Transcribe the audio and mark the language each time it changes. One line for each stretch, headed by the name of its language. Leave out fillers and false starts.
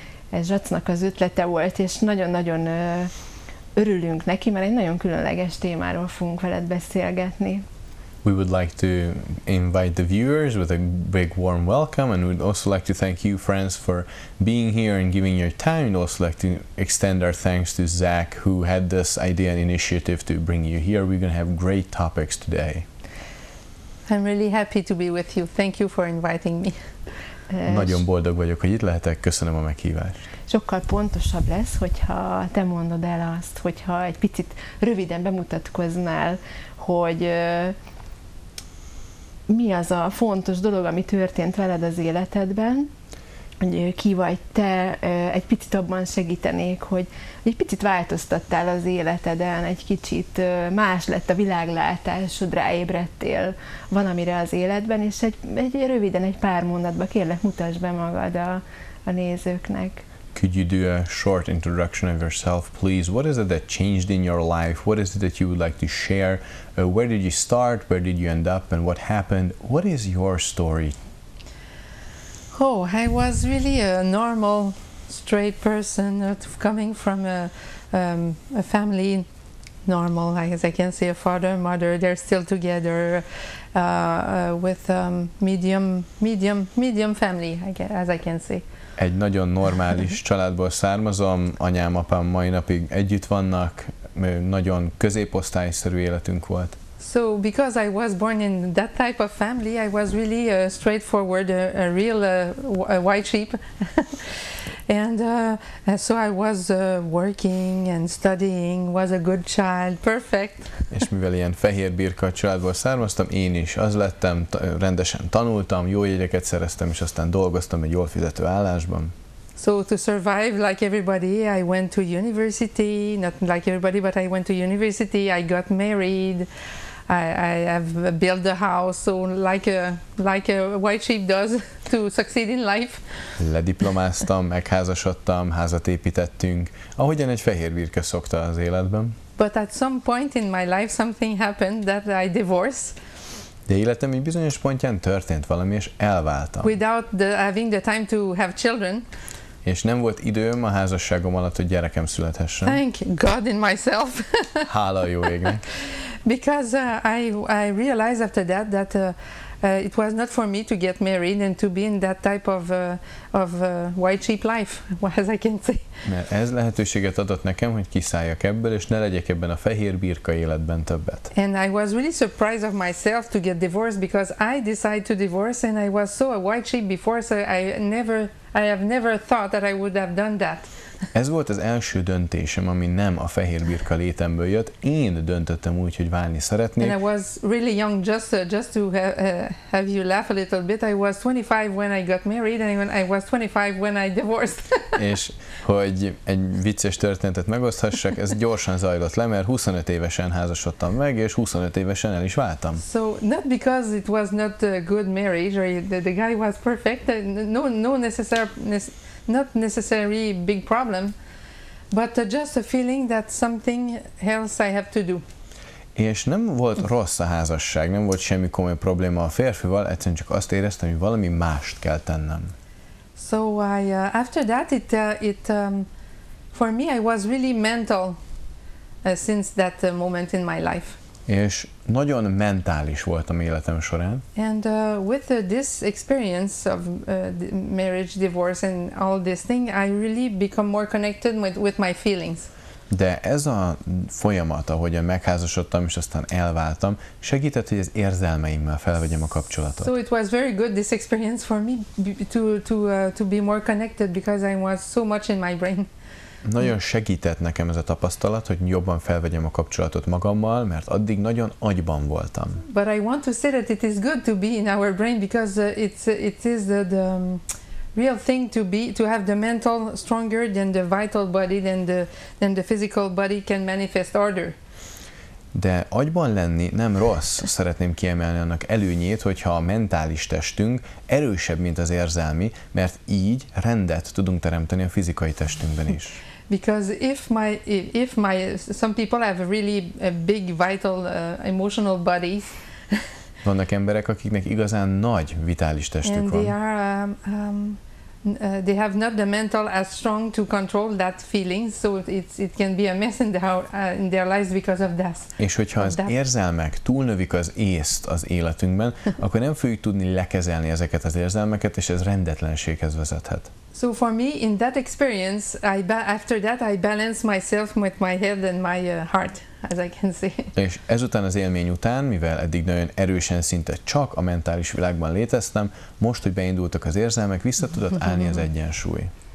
Hungarian: Ez Zsacnak az ötlete volt, és nagyon-nagyon örülünk neki, mert egy nagyon különleges témáról fogunk veled beszélgetni.
English: We would like to invite the viewers with a big warm welcome, and we'd also like to thank you, friends, for being here and giving your time. We'd also like to extend our thanks to Zach, who had this idea and initiative to bring you here. We're going to have great topics today. I'm really happy to be with you. Thank you for inviting me.
Hungarian: Nagyon boldog vagyok, hogy itt lehetek. Köszönöm a meghívást. Sokkal pontosabb lesz, hogyha te mondod el azt, hogyha egy picit röviden bemutatkoznál, hogy mi az a fontos dolog, ami történt veled az életedben, hogy ki vagy te, egy picit abban segítenék, hogy egy picit változtattál az életeden, egy kicsit más lett a világlátásod, ráébredtél valamire az életben, és egy röviden, egy pár mondatban kérlek, mutasd be magad a nézőknek.
English: Could you do a short introduction of yourself, please? What is it that changed in your life? What is it that you would like to share? Where did you start? Where did you end up? And what happened? What is your story? Oh, I was really a normal, straight person coming from a family. Normal, as I can say, a father, mother, they're still together with medium family, as I can say.
Hungarian: Egy nagyon normális családból származom, anyám, apám mai napig együtt vannak, nagyon középosztályszerű életünk volt.
English: So because I was born in that type of family, I was really a straightforward, a real a white sheep. And so I was working and studying, was a good child, perfect.
Hungarian: És mivel ilyen fehér birka családból származtam, én is az lettem, rendesen tanultam, jó jegyeket szereztem, és aztán dolgoztam egy jól fizető állásban.
English: So to survive like everybody, I went to university, not like everybody, but I went to university, I got married. I have built a house, so like a white sheep does to succeed in life.
Hungarian: Lediplomáztam, megházasodtam, házat építettünk, ahogyan egy fehér birka szokta az életben.
English: But at some point in my life something happened that I divorced.
Hungarian: De életem egy bizonyos pontján történt valami, és elváltam.
English: Without having the time to have children.
Hungarian: És nem volt időm a házasságom alatt, hogy gyerekem születhessen.
English: Thank God in myself.
Hungarian: Hála a jó égnek.
English: Because I realized after that it was not for me to get married and to be in that type of white sheep life, as I can say.
Hungarian: Mert ez lehetőséget adott nekem, hogy kiszálljak ebből, és ne legyek ebben a fehér birka életben többet.
English: And I was really surprised of myself to get divorced because I decided to divorce and I was so a white sheep before, so I have never thought that I would have done that.
Hungarian: Ez volt az első döntésem, ami nem a fehér birka létemből jött. Én döntöttem úgy, hogy válni szeretnék.
English: And I was really young, just to have you laugh a little bit. I was 25 when I got married, and I was 25 when I divorced.
Hungarian: És hogy egy vicces történetet megoszthassak, ez gyorsan zajlott le, mert 25 évesen házasodtam meg, és 25 évesen el is váltam.
English: So not because it was not a good marriage, or the guy was perfect, no necessariness. Not necessarily big problem, but just a feeling that something else I have to do.
Hungarian: És nem volt rossz a házasság, nem volt semmi komoly probléma a férfival, egyszerűen csak azt éreztem, hogy valami mást kell tennem.
English: So I after that it for me I was really mental since that moment in my life.
Hungarian: És nagyon mentális voltam életem során.
English: And with this experience of marriage, divorce and all this thing, I really become more connected with my feelings.
Hungarian: De ez a folyamat, ahogyan megházasodtam és aztán elváltam, segített, hogy az érzelmeimmel felvegyem a kapcsolatot.
English: So it was very good this experience for me to be more connected because I was so much in my brain.
Hungarian: Nagyon segített nekem ez a tapasztalat, hogy jobban felvegyem a kapcsolatot magammal, mert addig nagyon agyban voltam.
English: But I want to say that it is good to be in our brain because it is the real thing to be, to have the mental stronger than the vital body, than the physical body can manifest order.
Hungarian: De agyban lenni nem rossz, szeretném kiemelni annak előnyét, hogyha a mentális testünk erősebb, mint az érzelmi, mert így rendet tudunk teremteni a fizikai testünkben is.
English: Because if my some people have a really big vital emotional body.
Hungarian: Vannak emberek, akiknek igazán nagy vitális testük van.
English: And they are they have not the mental as strong to control that feeling, so it can be a mess in their lives because of that.
Hungarian: És hogyha az érzelmek túlnövik az észt az életünkben, akkor nem fogjuk tudni lekezelni ezeket az érzelmeket, és ez rendetlenséghez vezethet.
English: So for me, in that experience, after that I balance myself with my head and my heart, as I can see.
Hungarian: És ezután az élmény után, mivel eddig nagyon erősen szinte csak a mentális világban léteztem, most, hogy beindultak az érzelmek, vissza tudott állni az egyensúly.